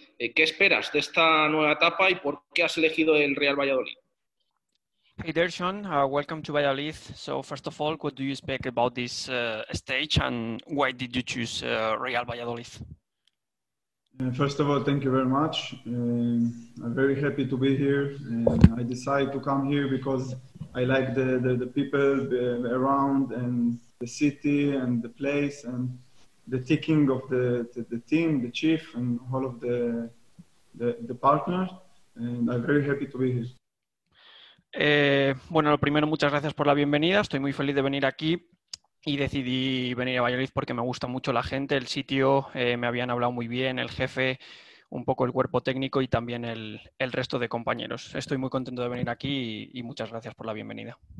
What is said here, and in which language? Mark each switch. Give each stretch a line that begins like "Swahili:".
Spanish: ¿Qué esperas de esta nueva etapa y por qué has elegido el Real Valladolid?
English: Hey there, Sean. Welcome to Valladolid. So, first of all, what do you expect about this stage and why did you choose Real Valladolid? First of all, thank you very much. I'm very happy to be here. I decided to come here because I like the people around and the city and the place and the ticking of the team, the chief and all of the partners. And I'm very happy to be here.
Spanish: Bueno, lo primero, muchas gracias por la bienvenida. Estoy muy feliz de venir aquí y decidí venir a Valladolid porque me gusta mucho la gente, el sitio. Me habían hablado muy bien el jefe, un poco el cuerpo técnico y también el resto de compañeros. Estoy muy contento de venir aquí y muchas gracias por la bienvenida.